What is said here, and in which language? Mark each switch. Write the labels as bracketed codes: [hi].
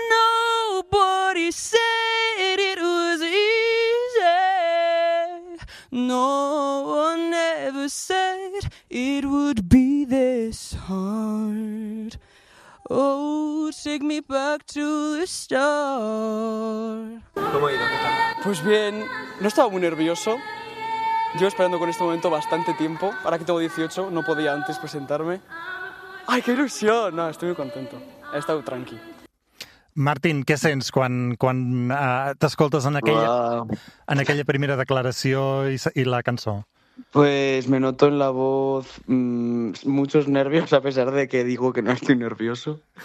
[en] Nobody said it was easy. No one ever said it would be this hard. Oh, take me back to the start. [es] ¿Cómo ha ido? Pues bien, no estaba muy nervioso. Llevo esperando con este momento bastante tiempo. Ahora que tengo 18, no podía antes presentarme. ¡Ay, qué ilusión! No, estoy muy contento. He estado tranqui. [ca] Martín, què sents quan t'escoltes en aquella primera declaració i la cançó? [es] Pues me noto en la voz muchos nervios, a pesar de que digo que no estoy nervioso.